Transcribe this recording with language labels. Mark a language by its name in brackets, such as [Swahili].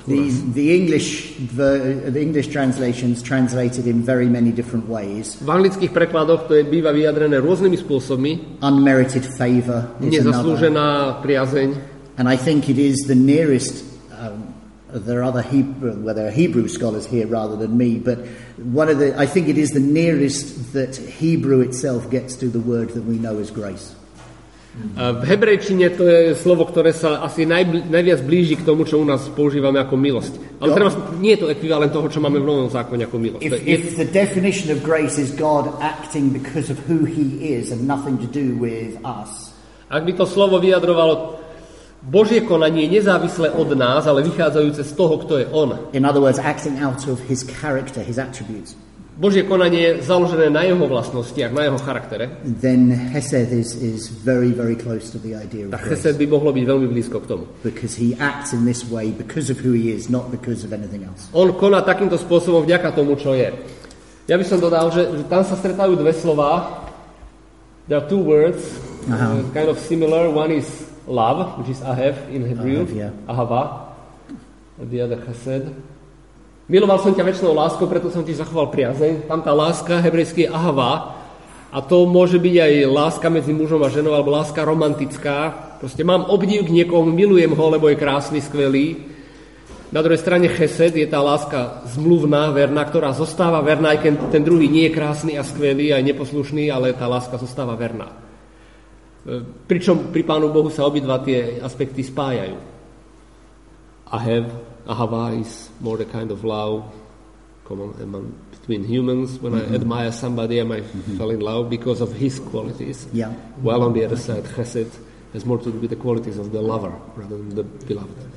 [English] The English translations translated in very many different ways. [Slovak] V anglických prekladoch to je býva vyjadrené rôznymi spôsobmi. [English] Unmerited favor is another. [Slovak] Nezaslúžená priazeň. [English] And I think it is the nearest there are other Hebrew, well, there are Hebrew scholars here rather than me, but I think it is the nearest that Hebrew itself gets to the word that we know as grace. [Slovak] V hebrejčine to je slovo, ktoré sa asi najviac blíži k tomu, čo u nás používame ako milosť. Ale teda nie je to ekvivalent toho, čo máme v Novom zákone ako milosť. [English] If the definition of grace is God acting because of who he is and nothing to do with us. [Slovak] Ak by to slovo vyjadrovalo Božie konanie nezávislé od nás, ale vychádzajúce z toho, kto je on. [English] In other words, acting out of his character, his attributes. [Slovak] Božie konanie je založené na jeho vlastnostiach, na jeho charaktere. [English] Then hesed is very, very close to the idea of grace. [Slovak] Tak hesed by mohlo byť veľmi blízko k tomu. [English] Because he acts in this way because of who he is, not because of anything else. [Slovak] On koná takýmto spôsobom vďaka tomu, čo je. Ja by som dodal, že tam sa stretajú dve slová. [English] There are two words, kind of similar. One is love, which is ahev in Hebrew. [Slovak] Ahava. [English] The other hesed. [Slovak] Miloval som ťa večnou láskou, preto som ti zachoval priazeň. Tam tá láska hebrejský je ahava. A to môže byť aj láska medzi mužom a ženou, alebo láska romantická. Proste mám obdiv k niekomu, milujem ho, lebo je krásny, skvelý. Na druhej strane chesed je tá láska zmluvná, verná, ktorá zostáva verná, aj keď ten druhý nie je krásny a skvelý, aj neposlušný, ale tá láska zostáva verná. Pričom pri Pánu Bohu sa obidva tie aspekty spájajú. [Hebrew] Ahev. [English] Ahava is more the kind of love common among between humans. When I admire somebody, I might fall in love because of his qualities. Yeah. While on the other side, chesed has more to do with the qualities of the lover rather than the beloved.